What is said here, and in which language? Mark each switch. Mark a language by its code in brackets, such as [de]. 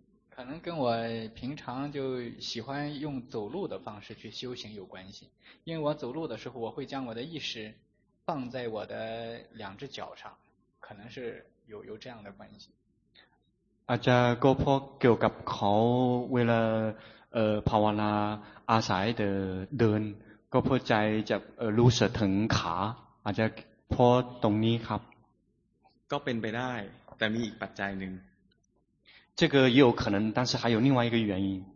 [zh] 可能跟我平常就喜欢用走路的方式去修行有关系因为我走路的时候我会将我的意识放在我的两只脚上可能是有这样的关系 [th] อาจจะก็เพราะเกี่ยวกับเขาเวลาภาวนาอาศัยเดินก็เพราะใจจะรู้สึกถึงขาอาจจะเพราะตรงนี้ครับ ก็เป็นไปได้แต่มีอีกปัจจัยหนึ่ง [zh] 这个也有可能但是还有另外一个原因